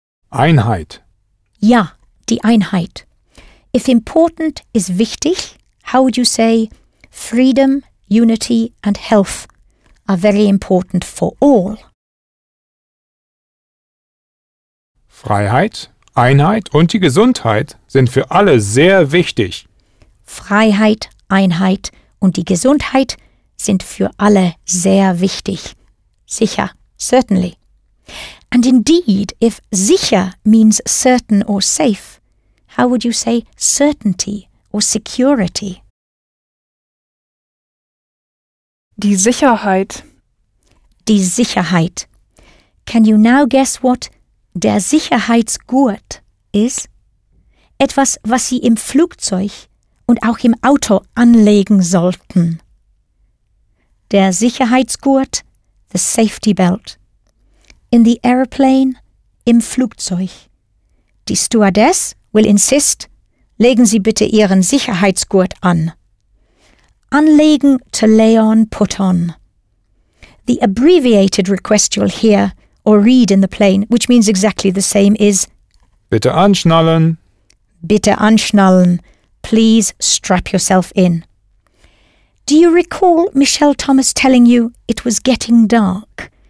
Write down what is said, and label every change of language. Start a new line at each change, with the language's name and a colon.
German: Einheit. Ja, die Einheit.
English: If important is wichtig, how would you say freedom, unity and health are very important for all?
German: Freiheit, Einheit und die Gesundheit sind für alle sehr wichtig. Freiheit, Einheit und die Gesundheit sind für alle sehr wichtig. Sicher, certainly.
English: And indeed, if sicher means certain or safe, how would you say certainty or security?
German: Die Sicherheit. Die Sicherheit.
English: Can you now guess what der Sicherheitsgurt is?
German: Etwas, was Sie im Flugzeug und auch im Auto anlegen sollten.
English: Der Sicherheitsgurt, the safety belt. In the aeroplane,
German: im Flugzeug. Die Stewardess
English: will insist,
German: legen Sie bitte Ihren Sicherheitsgurt an.
English: Anlegen, to lay on, put on. The abbreviated request you'll hear or read in the plane, which means exactly the same, is
German: bitte anschnallen. Bitte anschnallen.
English: Please strap yourself in. Do you recall Michelle Thomas telling you it was getting dark?